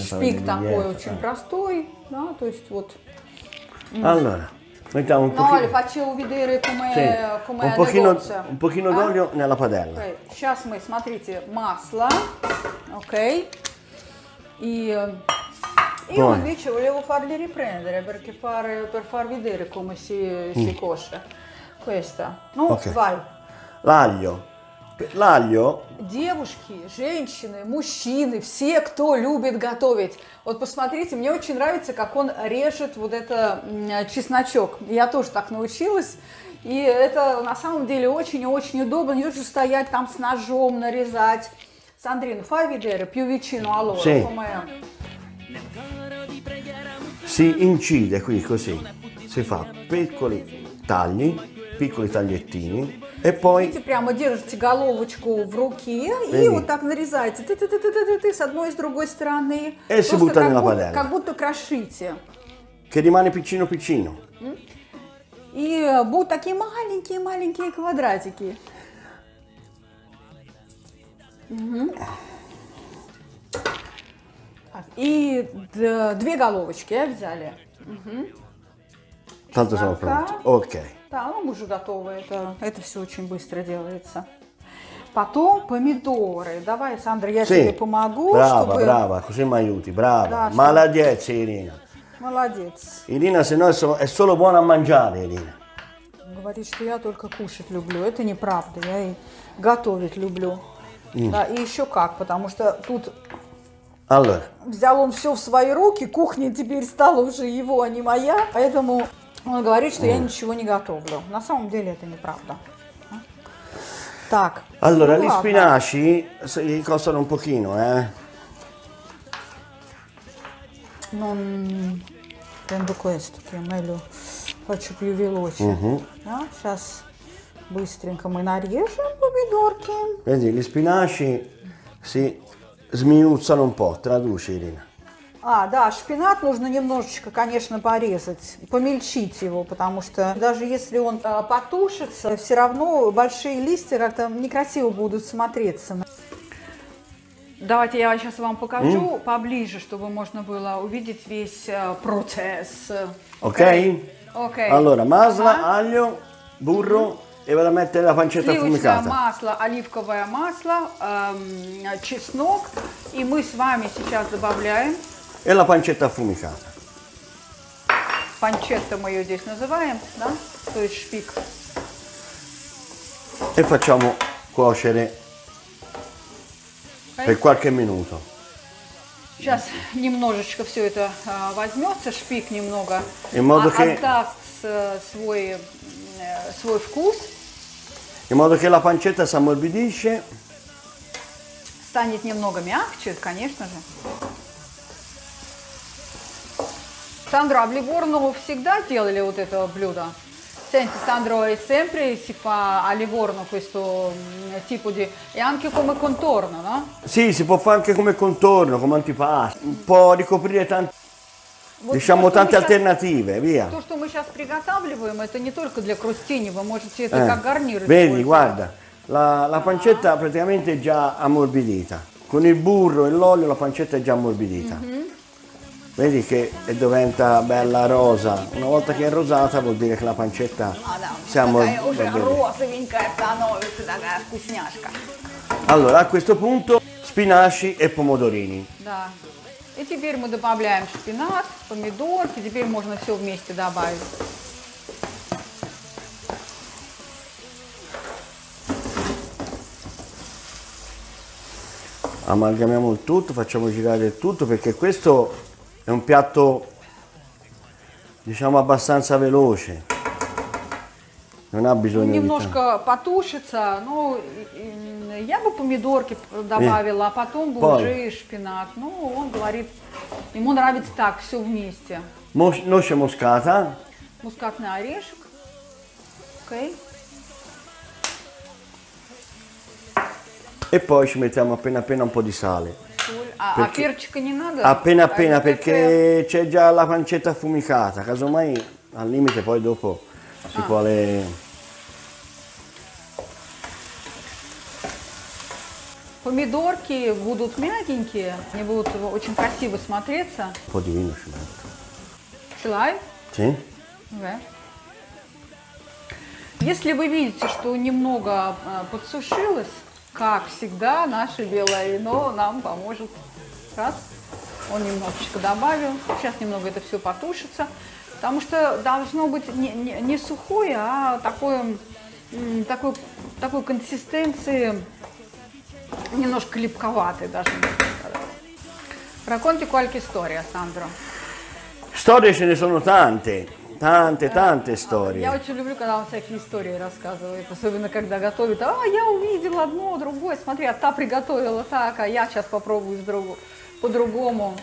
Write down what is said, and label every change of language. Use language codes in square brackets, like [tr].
[ru] шпик такой очень простой, да, то есть вот. [it] Allora, mettiamo un pochino. No, le faccio vedere come sì. come un pochino d'olio nella padella. [en] Okay. [ru] Сейчас мы, смотрите, масло, окей. [it] Okay. И invece volevo farli riprendere perché fare per far vedere come si cosce questa. Ну, okay. Vai. L'aglio. L'aglio. [ru] Девушки, женщины, мужчины, все, кто любит готовить. Вот посмотрите, мне очень нравится, как он режет вот это чесночок. Я тоже так научилась. И это на самом деле очень-очень удобно. Не нужно стоять там с ножом, нарезать. [it] Сандрин, fai vedere più vicino a loro. Si incide qui così. Si fa piccoli tagli, piccoli tagliettini. E poi... [ru] Видите, прямо держите головочку в руке и вот так нарезаете с одной и с другой стороны. [it] E si butta nella padella. [ru] Как будто крошите. [it] Che rimane piccino piccino. [ru] И будут такие маленькие-маленькие квадратики. И две головочки взяли. [it] Tanto sono pronti. Okay. [ru] Да, ну мы уже готовы, это все очень быстро делается. Потом помидоры. Давай, Сандра, я тебе помогу. Браво, чтобы... [it] браво, così mi aiuti, браво. [ru] Да, молодец, Ирина. Молодец. [it] Ирина, se no è solo buona a mangiare, Ирина. [ru] Говорит, что я только кушать люблю. Это неправда, я и готовить люблю. Да, и еще как, потому что тут... [it] Allora. [ru] Взял он все в свои руки, кухня теперь стала уже его, а не моя, поэтому... Он говорит, что я ничего не готовлю. На самом деле это неправда. Так. [it] Allora, gli spinaci costano un pochino, Non prendo questo, che è meglio. Faccio più veloce. [ru] Сейчас быстренько мы нарежем помидорки. [it] Vedi, gli spinaci si sminuzzano un po', traduci, Irina. [ru] А, да, шпинат нужно немножечко, конечно, порезать, помельчить его, потому что даже если он потушится, все равно большие листья как-то некрасиво будут смотреться. Давайте я сейчас вам покажу поближе, чтобы можно было увидеть весь процесс. Окей. Окей. [it] Allora, [ru] масло, [it] aglio, burro e vado a mettere la pancetta affumicata. [ru] Сливочное масло, оливковое масло, чеснок, и мы с вами сейчас добавляем. [it] E la pancetta affumicata. [ru] Pancetta мы ее здесь называем, да? То есть шпик. [it] E facciamo cuocere per qualche minuto. [ru] Сейчас немножечко все это возьмется, шпик немного, отдаст свой вкус. [it] In modo che la pancetta si ammorbidisce. [ru] Станет немного мягче, конечно же. Сандро, а в Ливорно всегда делали вот это блюдо? [it] Senti, Sandro, è sempre si fa a Livorno questo tipo di... E anche come contorno, no? Sì, si può fare anche come contorno, come antipasto. Può ricoprire tante... Вот diciamo, tante alternative, via. [ru] То, что мы сейчас приготавливаем, это не только для крустини, вы можете это как гарнир. [it] Vedi, guarda, la pancetta praticamente è già ammorbidita. Con il burro e l'olio la pancetta è già ammorbidita. Vedi che diventa bella rosa. Una volta che è rosata vuol dire che la pancetta siamo già rosinca [ru] становится такая вкусняшка. [it] Allora, a questo punto spinaci e pomodorini. [ru] Да. И теперь мы добавляем шпинат, помидорки, теперь можно все вместе добавить. [it] Amalgamiamo il tutto, facciamo girare il tutto perché questo è un piatto, diciamo, abbastanza veloce. Non ha bisogno [ru] немножко [it] di... [ru] потушится, ну, я бы помидорки добавила, а потом бы Poi. Уже шпинат. Ну, он говорит, ему нравится так, все вместе. Ноще муската. Мускатный орешек. Окей. [it] E poi ci mettiamo appena appena un po' di sale. [ru] A перчика не надо? [it] Appena appena, perché c'è già la pancetta affumicata. Casomai, al limite, poi dopo si può... [ru] Помидорки будут мягенькие, они будут очень красиво смотреться. Подвинуши. Желаю? Ти? Да. Если вы видите, что немного подсушилось, как всегда, наше белое вино нам поможет. Раз, он немножечко добавил. Сейчас немного это все потушится. Потому что должно быть не сухое, а такой консистенции... Немножко липковатый даже. [it] Racconti qualche storia, Sandro. Storie ce ne sono tante, tante, tante storie. [ru] Я очень люблю, когда он всякие истории рассказывает, особенно когда готовит. А, я увидел одно, другое, смотри, а та приготовила так, а я сейчас попробую по-другому.